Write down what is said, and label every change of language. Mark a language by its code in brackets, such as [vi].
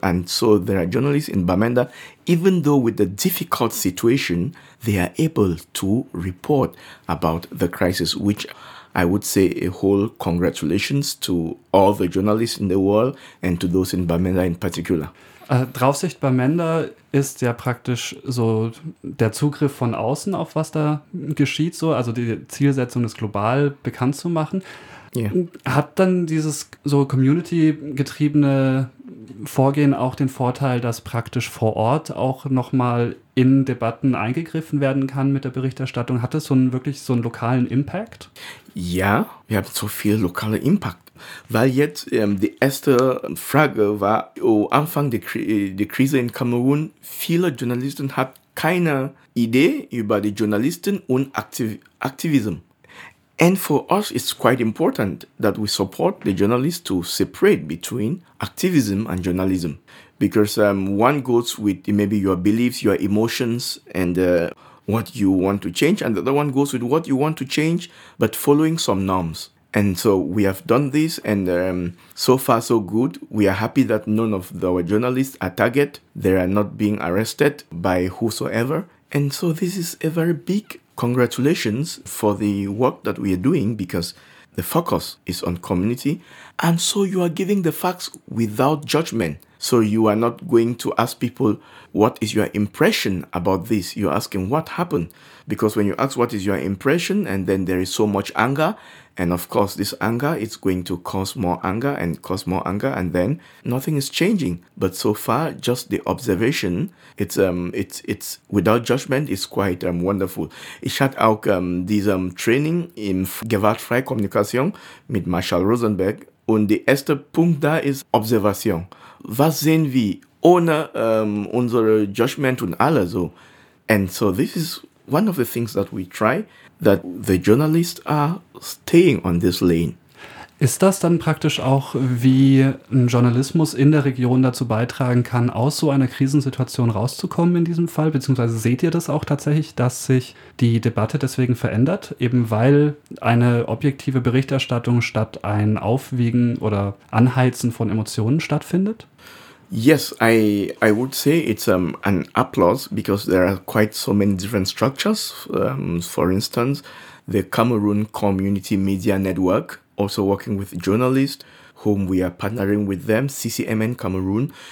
[en] And so there are journalists in Bamenda, even though with the difficult situation, they are able to report about the crisis, which I would say a whole congratulations to all the journalists in the world and to those in Bamenda in particular. [de] Draufsicht Bamenda ist ja praktisch so der Zugriff von außen auf was da geschieht, so, also die Zielsetzung, das global bekannt zu machen. [en] Yeah. [de] Hat dann dieses so community-getriebene Vorgehen auch den Vorteil, dass praktisch vor Ort auch nochmal in Debatten eingegriffen werden kann mit der Berichterstattung? Hat das so einen lokalen Impact? Ja, wir haben so viel lokaler Impact. Weil jetzt die erste Frage war, Anfang der Krise in Kamerun, viele Journalisten hatten keine Idee über die Journalisten und Aktivismus. [en] And for us, it's quite important that we support the journalists to separate between activism and journalism. Because one goes with maybe your beliefs, your emotions, and what you want to change. And the other one goes with what you want to change, but following some norms. And so we have done this, and so far so good. We are happy that none of our journalists are targeted. They are not being arrested by whosoever. And so this is a very big congratulations for the work that we are doing, because the focus is on community. And so you are giving the facts without judgment. So you are not going to ask people, what is your impression about this? You're asking what happened. Because when you ask what is your impression, and then there is so much anger, and of course this anger is going to cause more anger and cause more anger, and then nothing is changing. But so far, just the observation, it's without judgment, is quite wonderful. [de] Ich hatte auch diese Training in gewaltfreie Kommunikation mit Marshall Rosenberg, und der erste Punkt da ist Observation. Was sehen wir ohne unsere Judgment und alles so? [en] And so this is one of the things that we try, that the journalists are staying on this lane. [de] Ist das dann praktisch auch, wie ein Journalismus in der Region dazu beitragen kann, aus so einer Krisensituation rauszukommen in diesem Fall? Beziehungsweise seht ihr das auch tatsächlich, dass sich die Debatte deswegen verändert? Eben weil eine objektive Berichterstattung statt ein Aufwiegen oder Anheizen von Emotionen stattfindet? [en] Yes, I would say it's an applause, because there are quite so many different structures. For instance, the Cameroon Community Media Network, also working with journalists, whom we are partnering with them, CCMN Cameroon.